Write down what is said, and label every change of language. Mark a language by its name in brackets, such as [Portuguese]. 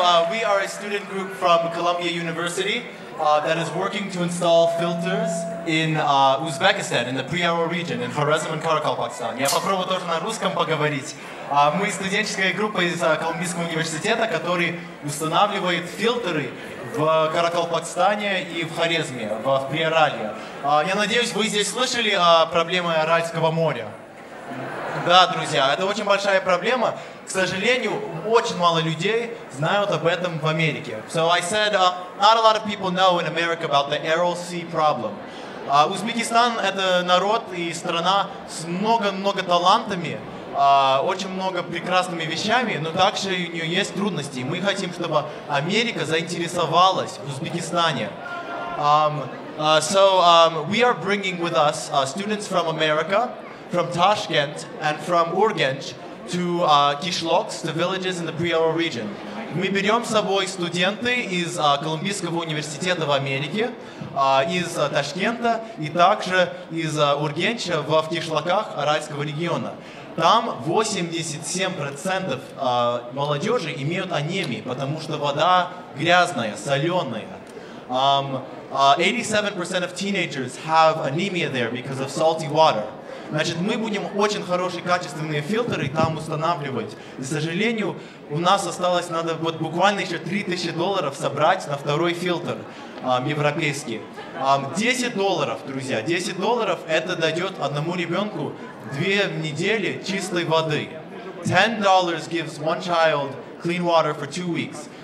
[English] We are a student group from Columbia University that is working to install filters in Uzbekistan, in the Priyaro region, in Khwarezm and Qoraqalpakistan. [Russian] Я попробую тоже на русском поговорить. Мы студенческая группа из Колумбийского университета, который устанавливает фильтры в Каракалпакстане и в Хорезме, в Приорале. Я надеюсь, вы здесь слышали о проблеме Аральского моря. Да, друзья, это очень большая проблема. К сожалению, очень мало людей знают об этом в Америке. [English] So I said, not a lot of people know in America about the Aral Sea problem. [Russian] Узбекистан — это народ и страна с много-много талантами, очень много прекрасными вещами, но также у нее есть трудности. Мы хотим, чтобы Америка заинтересовалась в Узбекистане. [English] We are bringing with us students from America, from Tashkent and from Urganch to Kishloks, the villages in the Priyaro region. [Russian] Мы берем с собой студенты из Колумбийского университета в Америке, из Ташкента и также из Ургенча в Кишлаках Аральского региона. Там 87% молодежи имеют анемию, потому что вода грязная, соленая. [English] 87% of teenagers have anemia there because of salty water. [Russian] Значит, мы будем очень хорошие, качественные фильтры там устанавливать. К сожалению, у нас осталось, надо вот буквально еще $3000 собрать на второй фильтр европейский. $10, друзья, $10 это дает одному ребенку 2 недели чистой воды. [English] $10 gives one child clean water for 2 weeks.